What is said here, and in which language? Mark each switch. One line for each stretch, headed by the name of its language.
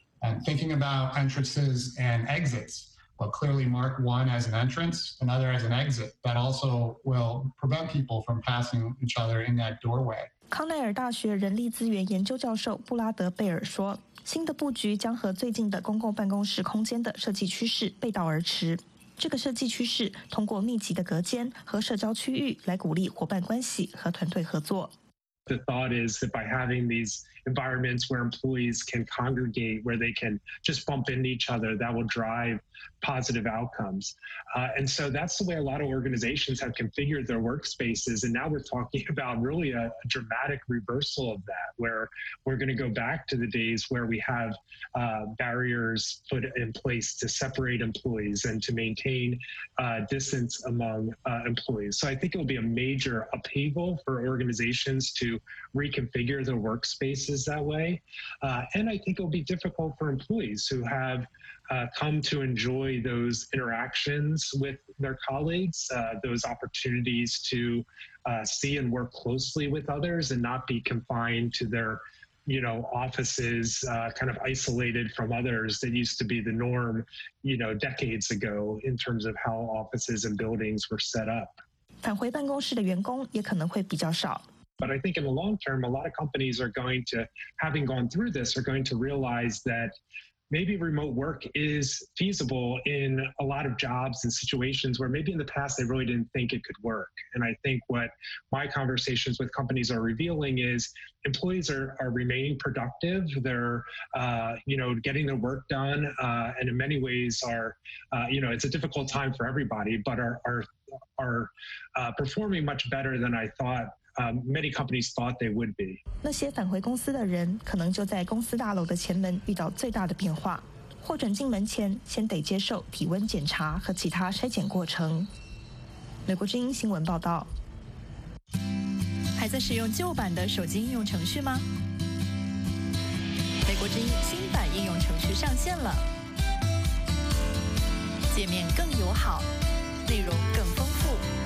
English: And thinking about entrances and exits, well, clearly mark one as an entrance, another as an exit, that also will prevent people from passing each other in that doorway.
Chinese: 康奈尔大学人力资源研究教授布拉德贝尔说，新的布局将和最近的公共办公室空间的设计趋势背道而驰。这个设计趋势通过密集的隔间和社交区域来鼓励伙伴关系和团队合作。
English: The thought is that by having these environments where employees can congregate, where they can just bump into each other, that will drive positive outcomes. And so that's the way a lot of organizations have configured their workspaces. And now we're talking about really a dramatic reversal of that, where we're going to go back to the days where we have barriers put in place to separate employees and to maintain distance among employees. So I think it will be a major upheaval for organizations to reconfigure their workspaces that way. And I think it'll be difficult for employees who have come to enjoy those interactions with their colleagues, those opportunities to see and work closely with others and not be confined to their, you know, offices, kind of isolated from others. That used to be the norm, you know, decades ago in terms of how offices and buildings were set up.
Chinese: 返回办公室的员工也可能会比较少。
English: But I think in the long term, a lot of companies are going to, having gone through this, are going to realize that maybe remote work is feasible in a lot of jobs and situations where maybe in the past they really didn't think it could work. And I think what my conversations with companies are revealing is employees are remaining productive. They're, you know, getting their work done. And in many ways are, you know, it's a difficult time for everybody, but are performing much better than I thought. Many companies thought they would be.
Chinese: 那些返回公司的人可能就在公司大楼的前门遇到最大的变化，或转进门前先得接受体温检查和其他筛检过程。美国之音新闻报道。还在使用旧版的手机应用程序吗？美国之音新版应用程序上线了，界面更友好，内容更丰富。